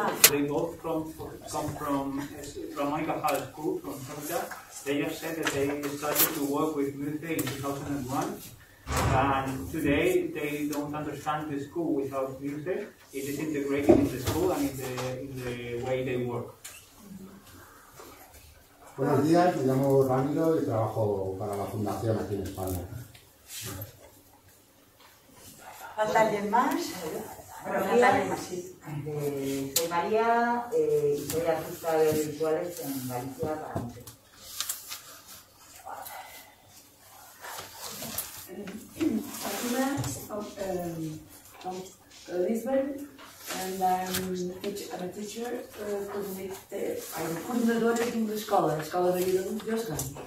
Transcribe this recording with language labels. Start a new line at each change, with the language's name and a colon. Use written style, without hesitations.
English: They both come from Aiga High School, from Georgia. They just said that they started to work with Muse in 2001, and today they don't understand the school without Muse. It is integrated in the school and in the way they work.
Spanish: Buenos días, me llamo Ramiro y trabajo para la fundación aquí en España. ¿Falta alguien más? Bueno, sí. Soy María y soy artista de visuales en Galicia para mí.
English: Fatima from Lisbon, and I'm a teacher I'm coordinator of the school, the Escola de Vida Lugiosa.